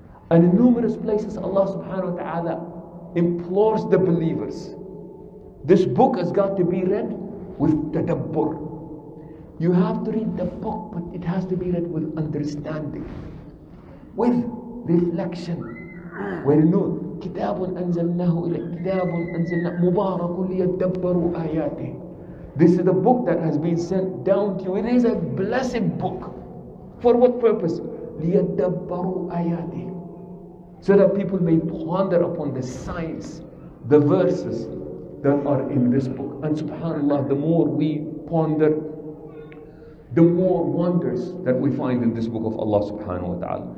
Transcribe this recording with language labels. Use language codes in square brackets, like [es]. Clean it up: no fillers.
[en] And in numerous places Allah subhanahu wa ta'ala implores the believers, this book has got to be read with tadabbur. You have to read the book, but it has to be read with understanding, with reflection. Where no [ar] كتاب أنزلناه إلى كتاب أنزلنا مبارك ليتدبروا آياته. [en] This is a book that has been sent down to you. It is a blessed book. For what purpose? [ar] ليتدبروا آياته. [en] So that people may ponder upon the signs, the verses that are in this book. And subhanAllah, the more we ponder, the more wonders that we find in this book of Allah subhanahu wa ta'ala.